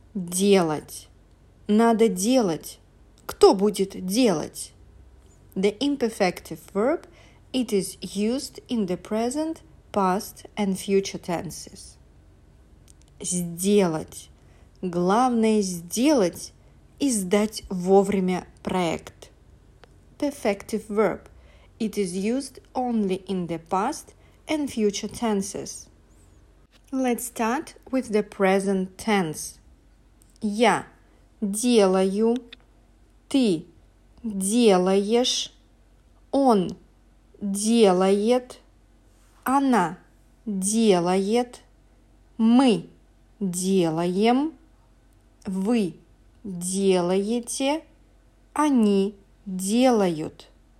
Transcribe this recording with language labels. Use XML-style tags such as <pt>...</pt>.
<ru>Делать. Надо делать. Кто будет делать?</ru> <en>The imperfective verb, it is used in the present, past and future tenses.</en> <ru>Сделать. Главное сделать и сдать вовремя проект.</ru> <en>Perfective verb, it is used only in the past and future tenses. Let's start with the present tense.</en> <ru>Я делаю, ты делаешь, он делает, она делает, мы делаем, вы делаете, они делают.</ru>